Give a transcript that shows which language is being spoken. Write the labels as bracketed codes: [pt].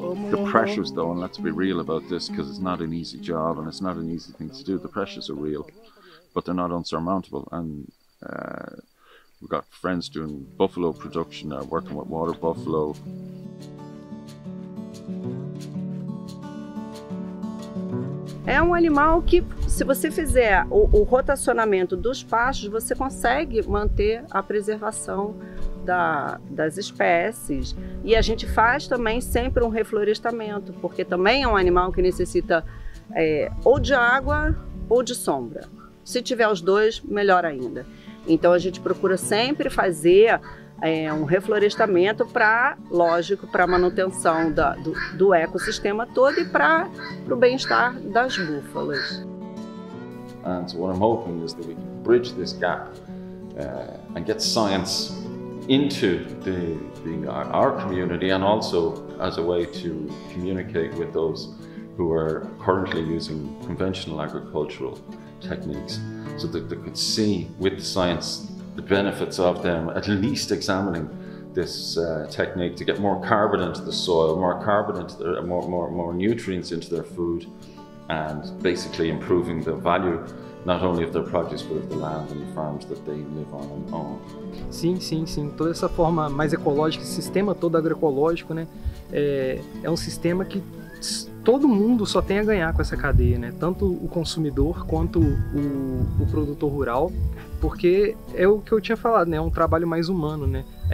[en] the pressures, though, and let's be real about this, because it's not an easy job and it's not an easy thing to do. The pressures are real, but they're not insurmountable. And we've got friends doing buffalo production now, working with water buffalo. [pt] É um animal que, se você fizer o rotacionamento dos pastos, você consegue manter a preservação das espécies. E a gente faz também sempre um reflorestamento, porque também é um animal que necessita ou de água ou de sombra. Se tiver os dois, melhor ainda. Então a gente procura sempre fazer um reflorestamento para, lógico, para a manutenção do ecossistema todo e para o bem-estar das búfalas. [en] And what I'm hoping is that we can bridge this gap and get science into our community, and also as a way to communicate with those who are currently using conventional agricultural techniques, so that they could see with science the benefits of them at least examining this technique to get more carbon into the soil, more carbon into their, more nutrients into their food, and basically improving the value not only of their produce but of the land and the farms that they live on and own. [pt] Sim, sim, sim. Toda essa forma mais ecológica, esse sistema todo agroecológico, né, é um sistema que todo mundo só tem a ganhar com essa cadeia, né? Tanto o consumidor quanto o produtor rural, porque é o que eu tinha falado, né? É um trabalho mais humano, né?